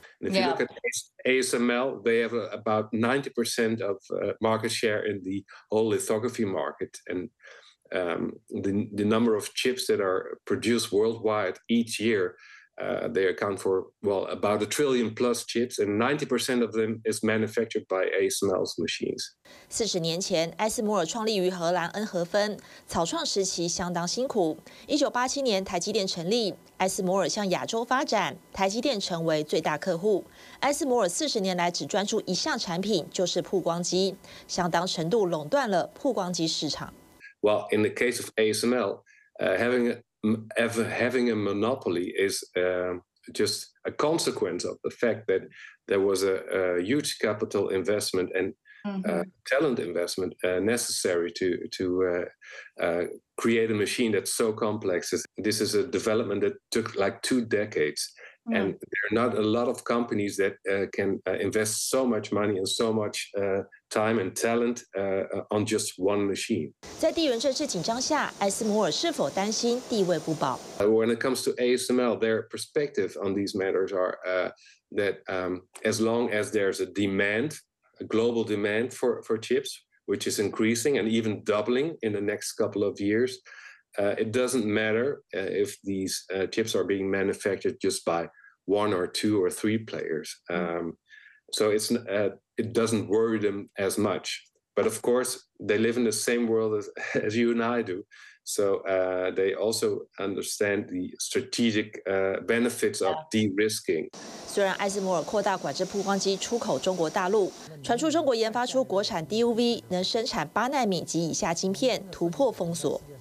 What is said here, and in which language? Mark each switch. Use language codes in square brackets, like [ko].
[en] If you look at ASML, they have about 90% of market share in the whole lithography market, and the number of chips that are produced worldwide each year. They account for, well, about a trillion plus chips, and 90% of them is manufactured by ASML's machines. [zh] 40年前，艾斯摩尔创立于荷兰恩和芬，草创时期相当辛苦。 1987年台积电成立，艾斯摩尔向亚洲发展，台积电成为最大客户。艾斯摩尔40年来只专注一项产品，就是曝光机，相当程度垄断了曝光机市场。 [en] Well, in the case of ASML, having a monopoly is just a consequence of the fact that there was a huge capital investment and talent investment necessary to create a machine that's so complex. This is a development that took like 2 decades. Mm-hmm. And there are not a lot of companies that can invest so much money and so much time and talent on just one machine. [zh] 在地缘政治紧张下，艾斯摩尔是否担心地位不保？ [en] When it comes to ASML, their perspective on these matters are as long as there's a demand, a global demand for chips, which is increasing and even doubling in the next couple of years, it doesn't matter if these chips are being manufactured just by one or two or three players. So it's it doesn't worry them as much, but of course they live in the same world as you and I do, so they also understand the strategic benefits of de-risking. [zh] 虽然艾斯摩尔扩大管制曝光机出口中国大陆，传出中国研发出国产 DUV 能生产8纳米及以下晶片，突破封锁。